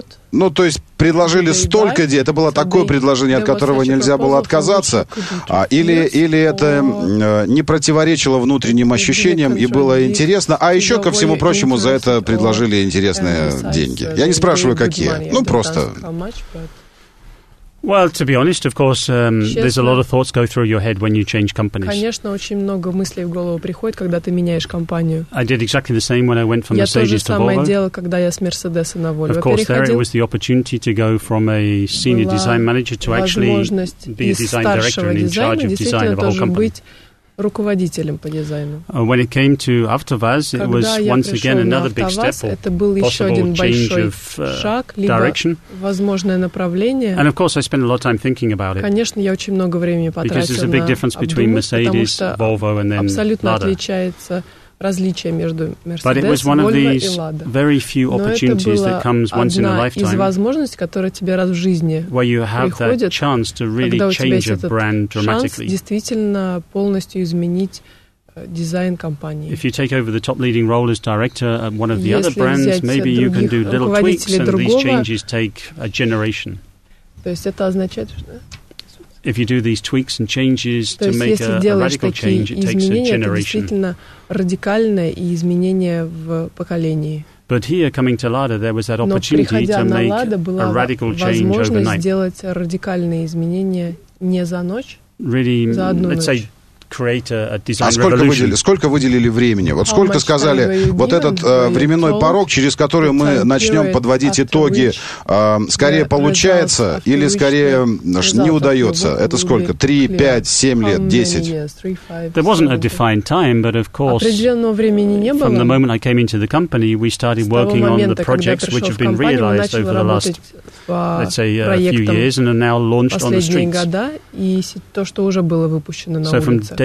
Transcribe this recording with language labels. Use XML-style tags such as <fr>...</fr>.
<ru>Ну, то есть предложили столько денег, это было такое предложение, от которого нельзя было отказаться, или это не противоречило внутренним ощущениям и было интересно, а еще, ко всему прочему, за это предложили интересные деньги. Я не спрашиваю, какие, ну, просто...</ru> <en>Well, to be honest, of course, there's a lot of thoughts go through your head when you change companies.</en> <ru>Конечно, очень много мыслей в голову приходит, когда ты меняешь компанию.</ru> <en>I did exactly the same when I went from Mercedes to Volvo.</en> <ru>Я то же самое делал, когда я с Мерседеса на Volvo.</ru> <en>Of course, there it was the opportunity to go from a senior design manager to actually be a design director and in charge of design of a whole company.</en> <ru>Руководителем по дизайну.</ru> <en>When it came to AvtoVAZ, it was once again another big step.</en> <ru>Это был еще один большой шаг, либо возможное направление.</ru> <en>And of course, I spent a lot of time thinking about it.</en> <ru>Конечно, я очень много времени потратил на обдумывание.</ru> <en>Because there's a big difference between Mercedes, Volvo, and then</en> <ru>абсолютно</ru> <en>Lada.</en> <ru>Отличается различие между Mercedes, Volvo и Lada.</ru> <en>Very few opportunities that comes once in a lifetime.</en> <ru>Но это была одна из возможностей, которая тебе раз в жизни приходит,</ru> <en>chance to really change your brand dramatically.</en> <ru>Действительно полностью изменить дизайн компании.</ru> <en>If you take over the top leading role as director at one of the other brands, maybe you can do little tweaks and these changes take a generation.</en> <ru>То есть это означает, что</ru> <en>if you do these tweaks and changes</en> <ru>то</ru> <en>to make a radical change, it takes a generation.</en> <ru>Это действительно радикальное и изменение в поколении.</ru> <en>But here, coming to Lada, there was that opportunity to make a radical change overnight.</en> <ru>Но возможность сделать радикальные изменения не за ночь,</ru> <en>really,</en> <ru>за одну ночь.</ru> <en>Say, create a design revolution.</en> <ru>Сколько выделили времени? Вот сколько сказали, вот этот временной порог, через который мы начнем подводить итоги, скорее получается или скорее не удается? Это сколько? 3, 5, 7 лет, 10?</ru> <en>There wasn't a defined time, but of course,</en> <ru>определенного времени не было.</ru> <en>From the moment I came into the company, we started working on the projects which have been realized over the last, let's say, a few years and are now launched on the streets.</en> <ru>И то, что уже было выпущено на улице.</ru>